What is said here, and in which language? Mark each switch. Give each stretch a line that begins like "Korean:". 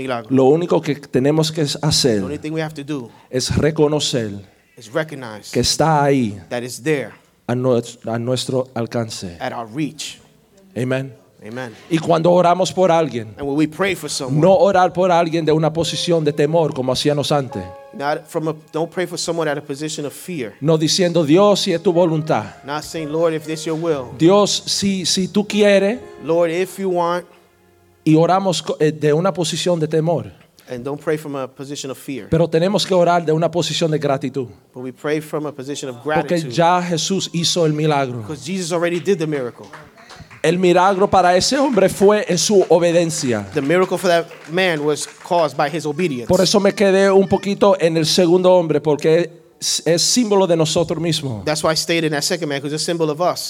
Spanish: Lo único que tenemos que hacer es reconocer que está ahí a nuestro alcance.
English: At our reach. Amen. Amen.
Spanish: Y cuando oramos por alguien,
English: and when we pray for someone,
Spanish: no orar por alguien de una posición de temor como hacíamos antes.
English: Don't pray for someone at a position of fear.
Spanish: No diciendo Dios si es tu voluntad.
English: Not saying Lord if this your will.
Spanish: Dios si tú quieres.
English: Lord if you want.
Spanish: Y oramos de una posición de temor.
English: And don't pray from a position of fear.
Spanish: Pero tenemos que orar de una posición de gratitud.
English: But we pray from a position of gratitude.
Spanish: Porque ya Jesús hizo el milagro.
English: Because Jesus already did the miracle.
Spanish: El milagro para ese hombre fue en su obediencia.
English: The miracle for that man was caused by his obedience.
Spanish: Por eso me quedé un poquito en el segundo hombre, porque es símbolo de nosotros mismos.
English: That's why I stayed in that second man, because it's a symbol of us.